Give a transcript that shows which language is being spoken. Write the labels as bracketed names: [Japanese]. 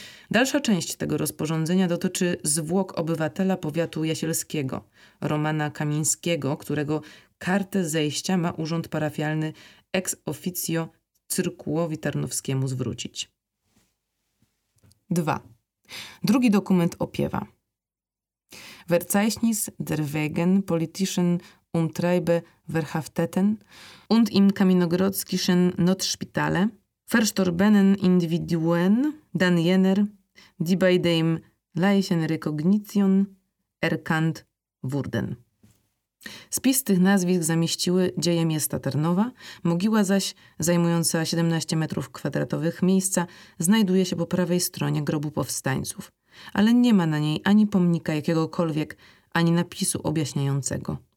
[Polish] Dalsza część tego rozporządzenia dotyczy zwłok obywatela powiatu jasielskiego, Romana Kamińskiego, którego kartę zejścia ma urząd parafialny ex officio cyrkułowi tarnowskiemu zwrócić. 2. Drugi dokument opiewa. [German] Verzeichnis der Wegen politischen Umtreibe verhafteten und im Kaminogrodzkischen Notspitale verstorbenen Individuen dann jener, die bei dem Leichen Rekognition erkannt wurden. [Polish] Spis tych nazwisk zamieściły Dzieje Miasta Tarnowa, mogiła zaś, zajmująca 17 metrów kwadratowych miejsca, znajduje się po prawej stronie grobu powstańców, ale nie ma na niej ani pomnika jakiegokolwiek, ani napisu objaśniającego.